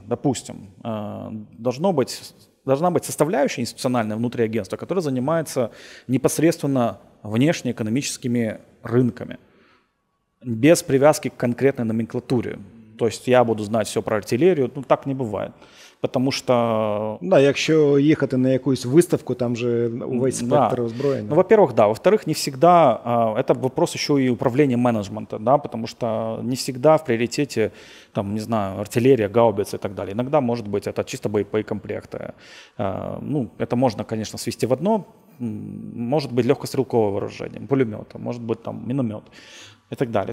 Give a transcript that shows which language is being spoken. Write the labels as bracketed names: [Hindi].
[Russian] Допустим, должна быть составляющая институциональная внутри агентства, которая занимается непосредственно внешнеэкономическими рынками, без привязки к конкретной номенклатуре. То есть я буду знать все про артиллерию, ну так не бывает. Потому что... [Ukrainian] Да, якщо ехать на якусь выставку, там же весь спектр озброєння. [Russian] Ну, во-первых, да. Во-вторых, не всегда... Это вопрос еще и управления менеджмента, да, потому что не всегда в приоритете, там, не знаю, артиллерия, гаубицы и так далее. Иногда, может быть, это чисто боекомплекты. Ну, это можно, конечно, свести в одно. Может быть, легкострелковое вооружение, пулемет, может быть, там, миномет. И так далее.